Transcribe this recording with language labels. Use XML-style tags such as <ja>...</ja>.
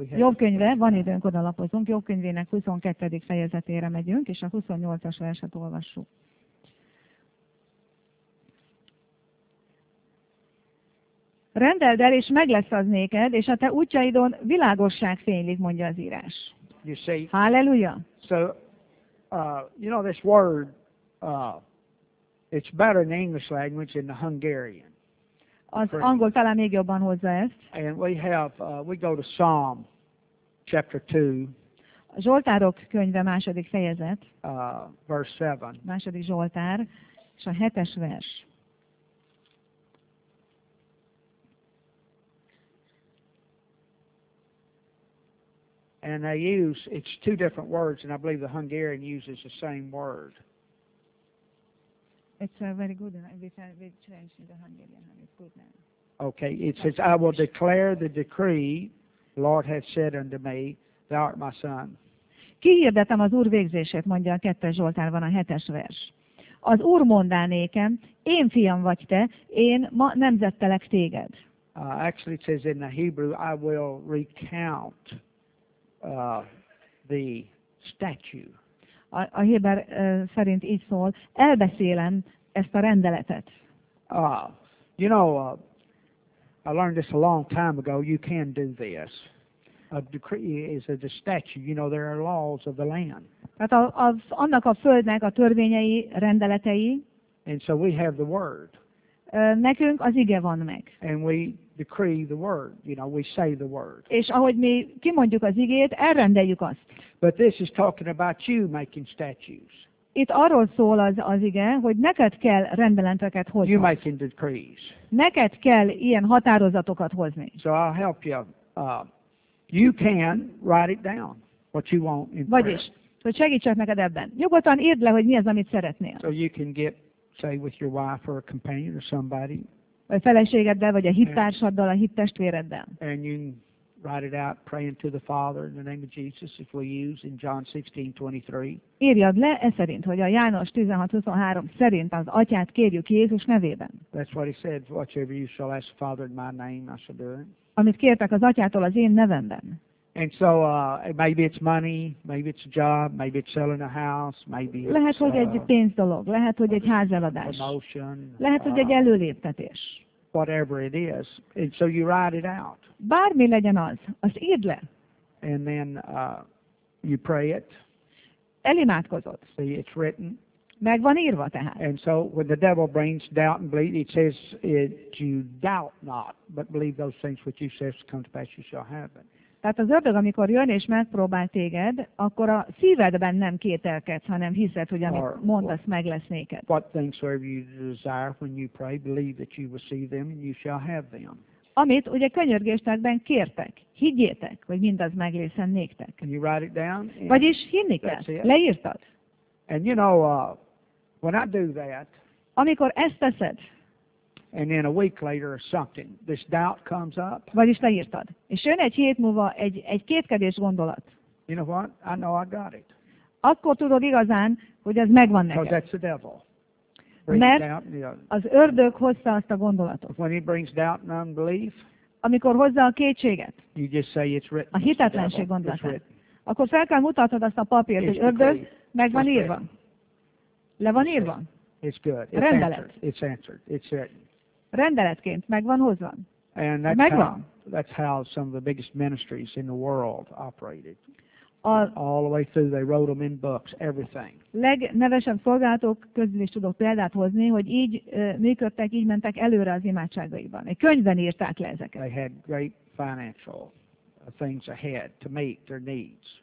<hu>Jobb könyve, van időnk, odalapozunk, Jobb könyvének 22. fejezetére megyünk, és a 28-as verset olvassuk. Rendeld el, és meg lesz az néked, és a te útjaidon világosság fénylik, mondja az írás.</hu> <en>You see, halleluja! So, you know this word, it's better in the English language than the Hungarian.</en> <hu>Az angol talán még jobban hozza ezt.</hu> <en>And we have, we go to Psalm chapter 2.</en> <hu>A Zsoltárok könyve második fejezet.</hu> <en>Verse 7.</en> <hu>Második Zsoltár, és a 7-es vers.</hu> <en>And they use, it's two different words, and I believe the Hungarian uses the same word. It's very good, and we change the Hungarian, and it's good now. Okay, it says, I will declare the decree, the Lord has said unto me, thou art my son.</en> <hu>Kihirdetem az Úr végzését, mondja a 2. Zsoltárban a 7-es vers. Az Úr mondá nékem, én fiam vagy te, én ma nemzettelek téged.</hu> <en>Actually it says in the Hebrew, I will recount the statue.</en> <hu>A Héber szerint így szól, elbeszélem ezt a rendeletet.</hu> <en>You know, I learned this a long time ago, you can do this. A decree is a statue, you know, there are laws of the land.</en> <hu>Tehát annak a földnek a törvényei, rendeletei.</hu> <en>And so we have the word.</en> <hu>Nekünk az ige van meg.</hu> <en>And we decree the word, you know, we say the word.</en> <hu>És ahogy mi kimondjuk az igét, elrendeljük azt.</hu> <en>But this is talking about you making statues.</en> <hu>Itt arról szól az ige, hogy neked kell rendelenteket hozni.</hu> <en>You making decrees.</en> <hu>Neked kell ilyen határozatokat hozni.</hu> <en>So I'll help you. You can write it down, what you want in</en> <hu>Vagyis,</hu> <en>prayer.</en> <hu>Hogy segítsek neked ebben. Nyugodtan írd le, hogy mi az, amit szeretnél.</hu> <en>So you can get, say, with your wife or a companion or somebody.</en> <hu>A feleségeddel, vagy a hittársaddal, a hittestvéreddel.</hu> <en>And you write it out, praying to the Father in the name of Jesus, if we use in John 16:23.</en> <hu>Írjad le e szerint, hogy a János 16:23 szerint az atyát kérjük Jézus nevében.</hu> <en>That's what he said, whatever you shall ask the Father in my name, I shall do it.</en> <hu>Amit kértek az atyától az én nevemben.</hu> <en>And so maybe it's money, maybe it's a job, maybe it's selling a house, maybe it's</en> <hu>lehet, hogy egy pénzdolog, lehet, hogy egy házeladás.</hu> <en>Promotion,</en> <hu>lehet, hogy egy előléptetés.</hu> <en>Whatever it is. And so you write it out.</en> <hu>Bármi legyen az, azt írd le.</hu> <en>And then you pray it.</en> <hu>Elimádkozod.</hu> <en>See, it's written.</en> <hu>Meg van írva tehát.</hu> <en>And so when the devil brings doubt and belief, it says it, you doubt not, but believe those things which you say come to pass, you shall happen.</en> <hu>Tehát az ördög, amikor jön és megpróbál téged, akkor a szívedben nem kételkedsz, hanem hiszed, hogy amit mondasz, meg lesz néked.</hu> <en>What things soever you desire when you pray, believe that you receive them and you shall have them.</en> <hu>Amit ugye könyörgésetekben kértek, higgyétek, hogy mindaz meg lészen néktek.</hu> <en>And you write it down.</en> <hu>Vagyis hinni kell. Leírtad.</hu> <en>And you know, when I do that,</en> <hu>amikor ezt teszed,</hu> <en>and then a week later or something, this doubt comes up.</en> <hu>Vagyis leírtad. És jön egy hét múlva egy kétkedés gondolat.</hu> <en>You know what? I know I got it.</en> <hu>Akkor tudod igazán, hogy ez megvan neked.</hu> <en>Because that's the devil.</en> <hu>Mert az ördög hozta azt a gondolatot.</hu> <en>When he brings doubt and unbelief,</en> <hu>amikor hozza a kétséget,</hu> <en>you just say it's written.</en> <hu>A hitetlenség gondolatát. Akkor fel kell mutatod azt a papírt, és ördög, megvan írva. Le van írva.</hu> <en>It's good. It's</en> <hu>rendelet.</hu> <en>Answered. It's answered. It's written.</en> <hu>Rendeletként megvan hozva.</hu> <en>And that's</en> <hu>megvan.</hu> <en>How, that's how some of the biggest ministries in the world operated. All the way through, they wrote them in books, everything.</en> <hu>Legnevesebb szolgálatok közül is tudok példát hozni, hogy így működtek, így mentek előre az imádságaiban. Egy könyvben írták le ezeket.</hu> <en>They had great financial things ahead to meet their needs.</en>